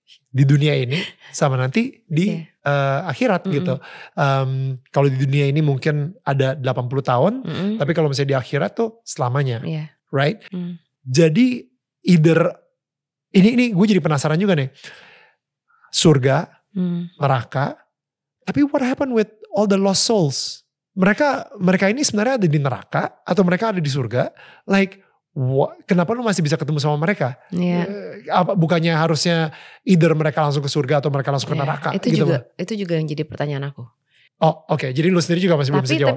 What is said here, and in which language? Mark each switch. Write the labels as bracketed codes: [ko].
[id] Di dunia ini sama nanti di akhirat gitu. Kalau di dunia ini mungkin ada 80 tahun, tapi kalau misalnya di akhirat tuh selamanya. [en] Yeah. Right? [id] Jadi either ini gue jadi penasaran juga nih. Surga, neraka. Tapi [en] what happened with all the lost souls? [id] Mereka ini sebenarnya ada di neraka atau mereka ada di surga? Like, kenapa lu masih bisa ketemu sama mereka? [en] Yeah. [id] Bukannya harusnya either mereka langsung ke surga atau mereka langsung ke neraka? Itu gitu juga apa? Itu juga yang jadi pertanyaan aku. Oh, oke. Okay. Jadi lu sendiri juga masih belum bisa jawab.